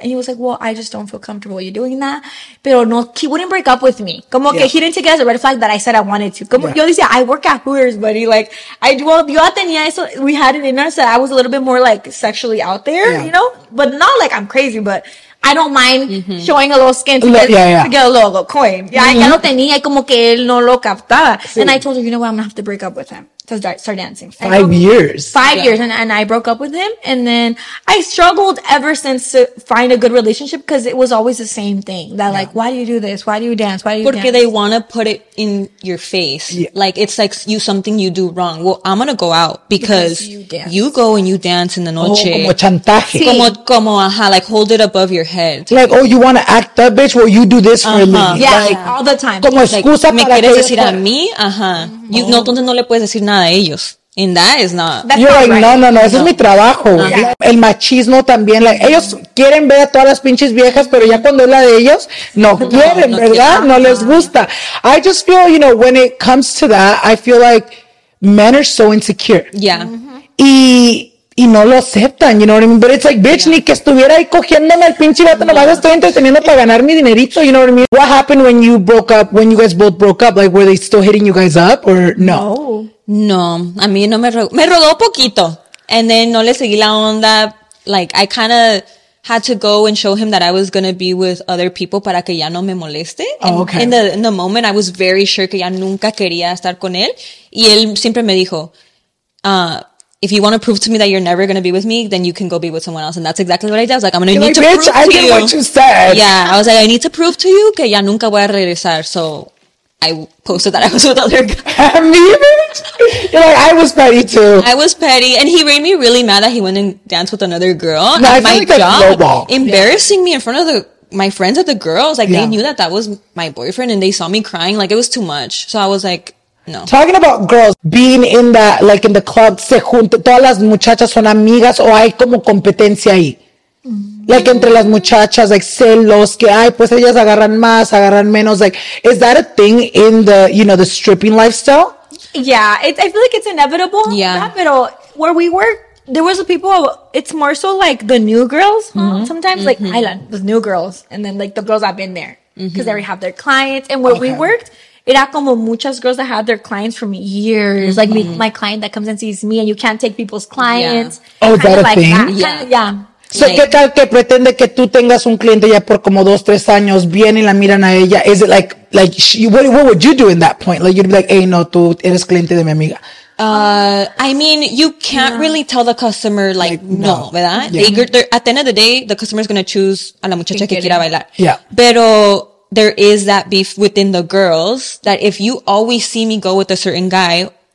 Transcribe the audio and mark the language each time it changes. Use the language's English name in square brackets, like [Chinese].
[English] And he was like, well, I just don't feel comfortable with you doing that. Pero no, he wouldn't break up with me. Como que he didn't take it as a red flag that I said I wanted to. Como yo decía, I work at Hooters, buddy. Like, I do all, yo tenía eso. We had it in us that I was a little bit more like sexually out there, you know? But not like I'm crazy, but I don't mind showing a little skin to get a little coin. [Spanish] Ya no tenía, como que él no lo captaba. Sí. [English] And I told her, you know what? I'm going to have to break up with him to start dancing. Five years. And I broke up with him. And then I struggled ever since to find a good relationship because it was always the same thing. Like, why do you do this? Why do you dance? Porque they want to put it in your face. Yeah. Like, it's like you something you do wrong. Well, I'm going to go out because you go and you dance in the noche. [Spanish] Oh, como chantaje. [English] Sí. Como, ajá, like, hold it above your head. Like, oh, you want to act up, bitch? Well, you do this for me. Yeah, all the time. [Spanish] Como excusa like, para me quieres decir a mí? Ajá. You, no, entonces no le puedes decir nada a ellos. And that is not... [English] That's you're not [Spanish] like, right. No. Ese es mi trabajo. Yeah. El machismo también. Like, ellos quieren ver a todas las pinches viejas, pero ya cuando es la de ellos, no quieren, ¿verdad? No les gusta. [English] I just feel, you know, when it comes to that, I feel like men are so insecure. Yeah. [Spanish] Mm-hmm. Y no lo aceptan, you know what I mean? But it's like, bitch, ni que estuviera ahí cogiéndome al pinche vato, nomás estoy entreteniendo para ganar mi dinerito, you know what I mean? [English] What happened when you broke up, when you guys both broke up? Like, were they still hitting you guys up or no? [Spanish] No, a mí no me rogó. Me rogó poquito. And then no le seguí la onda. [English] Like, I kind of had to go and show him that I was going to be with other people para que ya no me moleste. In the moment, I was very sure que ya nunca quería estar con él. Y él siempre me dijo, if you want to prove to me that you're never going to be with me, then you can go be with someone else. And that's exactly what I did. I was like, I'm going to need to prove to you. Bitch, I did what you said. Yeah, I was like, I need to prove to you que ya nunca voy a regresar. So I posted that I was with other guys. Me, bitch? You're like, I was petty too. I was petty. And he made me really mad that he went and danced with another girl. No, and I my feel like job embarrassing me in front of my friends at the girls. Like, they knew that was my boyfriend and they saw me crying. Like, it was too much. So I was like, no. [Spanish] Talking about girls being in that, like in the club, se junta, todas las muchachas son amigas o hay como competencia ahí. Like entre las muchachas, like celos, que ay, pues ellas agarran más, agarran menos. [English] Like, is that a thing in the, you know, the stripping lifestyle? Yeah, I feel like it's inevitable. Yeah. Pero where we work, there was a people, it's more so like the new girls, sometimes, like Island, the new girls, and then like the girls that have been there because they already have their clients. And where we worked, era como muchas girls that have their clients from years. Mm-hmm. Like my client that comes and sees me and you can't take people's clients. Yeah. Oh, that a like thing? That. Yeah. [Spanish] So, like, ¿qué tal que pretende que tú tengas un cliente ya por como 2-3 años, vienen y la miran a ella? [English] Is it like what would you do in that point? Like, you'd be like, hey, no, tú eres cliente de mi amiga. I mean, you can't really tell the customer, like no, ¿verdad? Yeah. At the end of the day, the customer is going to choose a la muchacha que quiera bailar. Yeah. [Spanish] Pero [English] there is that beef within the girls that if you always see me go with a certain guy,